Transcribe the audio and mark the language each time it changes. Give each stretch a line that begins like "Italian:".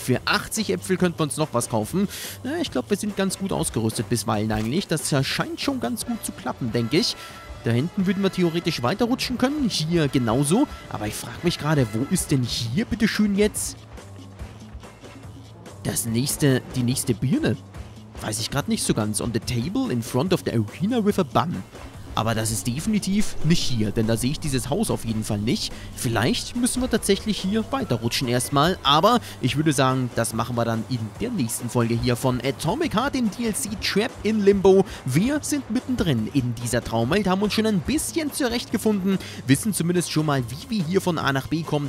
German: Für 80 Äpfel könnten wir uns noch was kaufen. Ja, ich glaube, wir sind ganz gut ausgerüstet bisweilen eigentlich. Das scheint schon ganz gut zu klappen, denke ich. Da hinten würden wir theoretisch weiterrutschen können. Hier genauso. Aber ich frage mich gerade, wo ist denn hier bitteschön jetzt die nächste Birne? Weiß ich gerade nicht so ganz.
English: On the table in front of the arena with a bun.
German: Aber das ist definitiv nicht hier, denn da sehe ich dieses Haus auf jeden Fall nicht. Vielleicht müssen wir tatsächlich hier weiterrutschen erstmal, aber ich würde sagen, das machen wir dann in der nächsten Folge hier von Atomic Heart, dem DLC Trap in Limbo. Wir sind mittendrin in dieser Traumwelt, haben uns schon ein bisschen zurechtgefunden, wissen zumindest schon mal, wie wir hier von A nach B kommen.